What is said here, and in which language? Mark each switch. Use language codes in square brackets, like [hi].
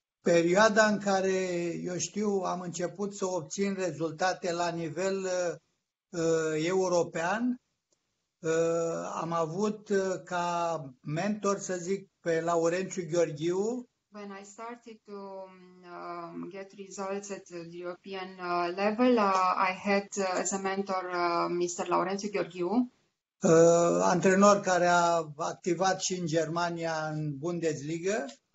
[ro] Perioada în care, eu știu, am început să obțin rezultate la nivel european, am avut ca mentor, să zic, pe Laurențiu Gheorghiu. [en] When I started to get results at the European level, I had as a mentor Mr. Laurențiu Gheorghiu. [ro] Antrenor care a activat și în Germania în Bundesliga.